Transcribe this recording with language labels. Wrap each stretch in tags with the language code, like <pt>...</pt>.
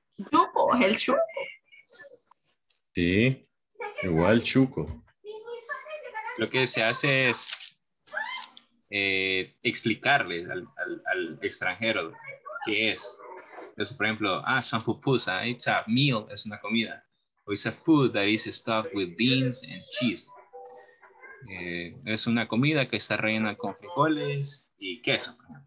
<es>¿Chuco? ¿El chuco? Sí. Igual chuco. Lo que se hace es explicarle al extranjero qué es. Eso, por ejemplo,</es> <en>some pupusa, it's a meal,</en> <es>es una comida.</es> <en>Or it's a food that is stuffed with beans and cheese.</en> <es>Es una comida que está rellena con frijoles y queso.</es>